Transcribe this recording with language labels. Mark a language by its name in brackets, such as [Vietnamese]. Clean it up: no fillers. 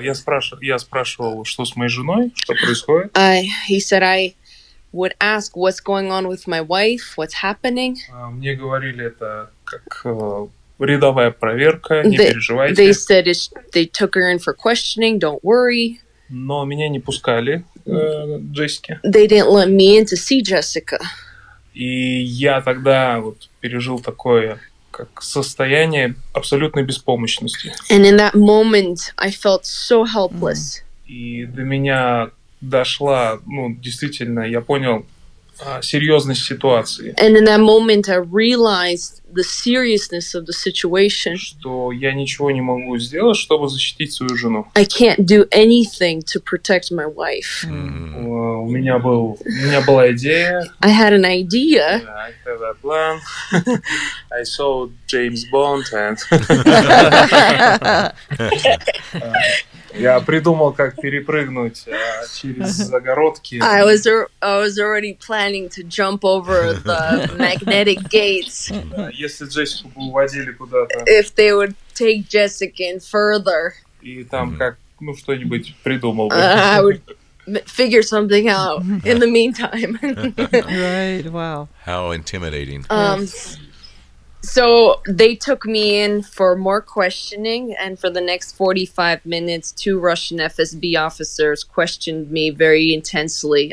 [Russian] Я спрашивал, что с моей женой, что происходит. [English] He said I would ask what's going on with my wife, what's happening. [Russian] Мне говорили это как. Рядовая проверка, не переживайте. [English] They said it, they took her in for questioning, don't worry. [Russian] Но меня не пускали, Джессики. [English] They didn't let me in to see Jessica. [Russian] И я тогда вот пережил такое, как состояние абсолютной беспомощности. [English] And in that moment, I felt so helpless. [Russian] И до меня дошла, ну, действительно, я понял, серьезность ситуации. [English] And in that moment, I realized the seriousness of the situation. [Russian] Что я ничего не могу сделать, чтобы защитить свою жену. [English] I can't do anything to protect my wife. [Russian] У меня был, у меня была идея. [English] I had an idea. Yeah, I had a plan. I saw James Bond and. [Russian] Я придумал, как перепрыгнуть через загородки. [English] I was already planning to jump over the magnetic gates. [Russian] Если Джессику бы уводили куда-то. [English] If they would take Jessica in further. [Russian] И там как, ну, что-нибудь придумал бы. [English] I would figure something out in the meantime. Right, wow. How intimidating. So they took me in for more questioning, and for the next 45 minutes, two Russian FSB officers questioned me very intensely.